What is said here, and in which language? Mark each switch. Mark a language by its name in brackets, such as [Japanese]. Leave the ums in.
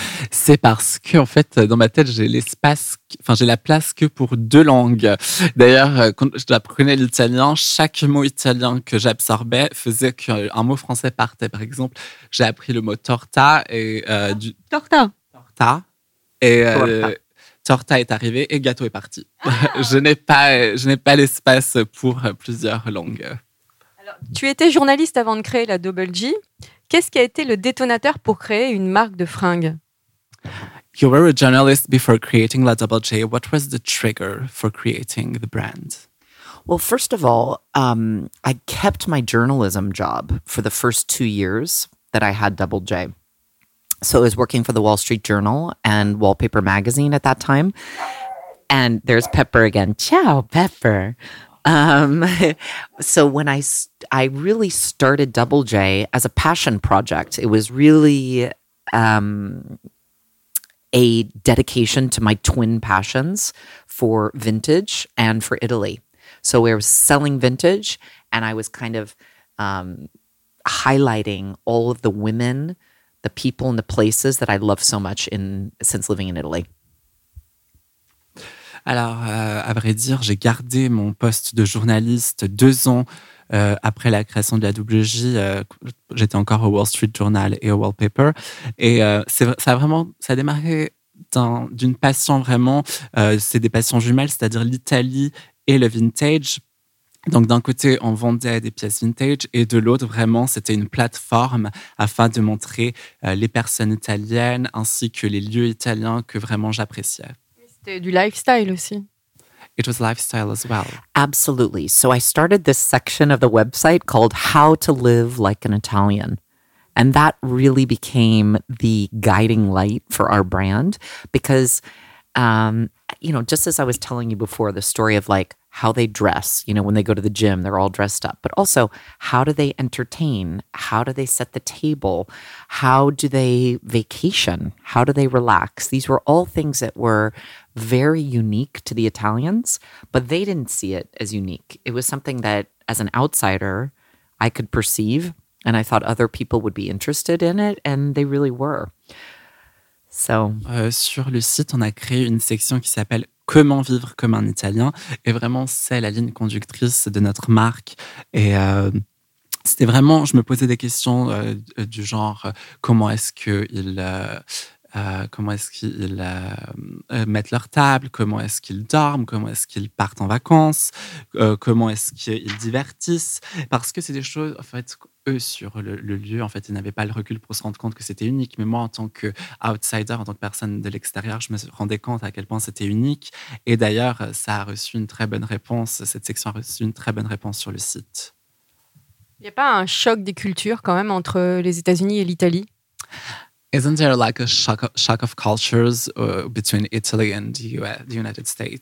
[French] c'est parce que en fait dans ma tête j'ai l'espace enfin, j'ai la place que pour deux langues d'ailleurs quand je l'italien chaque mot italien que j'absorbais faisait qu'un mot français partait par exemple j'ai appris le mot torta et euh, du torta torta et euh, torta. torta est arrivé et gâteau est parti ah je n'ai pas je n'ai pas l'espace pour plusieurs langues Alors, tu étais journaliste avant de créer la Double G. Qu'est-ce qui a été le détonateur pour créer une marque de fringues [English] You were a journalist before creating La Double J. What was the trigger for creating the brand? Well, first of all, um, I kept my journalism job for the first two years that I had Double J. So I was working for the Wall Street Journal and Wallpaper Magazine at that time. And there's Pepper again. Ciao, Pepper. Um, so when I, I really started Double J as a passion project, it was really. Um, a dedication to my twin passions for vintage and for Italy. So we were selling vintage, and I was kind of um, highlighting all of the women, the people, and the places that I love so much in since living in Italy. [French] Alors, euh, à vrai dire, j'ai gardé mon poste de journaliste deux ans. Euh, après la création de la WJ, euh, j'étais encore au Wall Street Journal et au Wallpaper. Et euh, ça a vraiment ça a démarré d'une un, passion vraiment. C'est des passions jumelles, c'est-à-dire l'Italie et le vintage. Donc d'un côté, on vendait des pièces vintage et de l'autre, vraiment, c'était une plateforme afin de montrer les personnes italiennes ainsi que les lieux italiens que vraiment j'appréciais. C'était du lifestyle aussi. [English] it was lifestyle as well. Absolutely. So I started this section of the website called How to Live Like an Italian. And that really became the guiding light for our brand because, um, you know, just as I was telling you before, the story of like how they dress, you know, when they go to the gym, they're all dressed up, but also how do they entertain? How do they set the table? How do they vacation? How do they relax? These were all things that were very unique to the Italians, but they didn't see it as unique. It was something that as an outsider, I could perceive and I thought other people would be interested in it, and they really were. So, uh, [French] sur le site, on a créé une section qui s'appelle comment vivre comme un Italien. Et vraiment, c'est la ligne conductrice de notre marque. Et euh, c'était vraiment, je me posais des questions euh, du genre, comment est-ce qu'il... Euh euh, comment est-ce qu'ils euh, mettent leur table, comment est-ce qu'ils dorment, comment est-ce qu'ils partent en vacances, euh, comment est-ce qu'ils divertissent. Parce que c'est des choses, en fait, eux, sur le, le lieu, en fait, ils n'avaient pas le recul pour se rendre compte que c'était unique. Mais moi, en tant qu'outsider, en tant que personne de l'extérieur, je me rendais compte à quel point c'était unique. Et d'ailleurs, ça a reçu une très bonne réponse. Cette section a reçu une très bonne réponse sur le site. Il n'y a pas un choc des cultures quand même entre les États-Unis et l'Italie [English] Isn't there like a shock of, shock of cultures uh, between Italy and the, US, the United States?